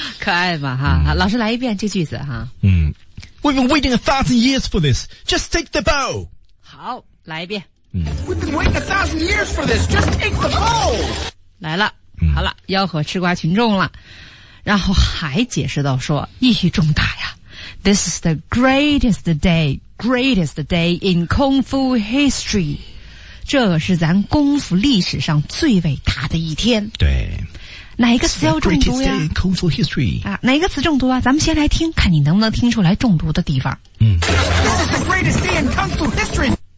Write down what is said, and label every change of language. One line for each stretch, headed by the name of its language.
Chinese: 可爱吧，哈，老师来一遍这句子哈。
English: 嗯 ，We've been waiting 1,000 years for this. Just take the bow.
Chinese: 好，来一遍。
English: We've been waiting 1,000 years for this. Just take the bow.
Chinese: 来了，好了，吆喝吃瓜群众了。然后还解释到说，意义重大呀。
English: This is the greatest day in kung fu history.
Chinese: 这是咱功夫历史上最伟大的一天。对，哪一个词要中毒呀？
English: Kung fu history.
Chinese: 啊，哪一个词中毒啊？咱们先来听，看你能不能听出来中毒的地方。嗯。
English: This is the greatest day in kung fu history.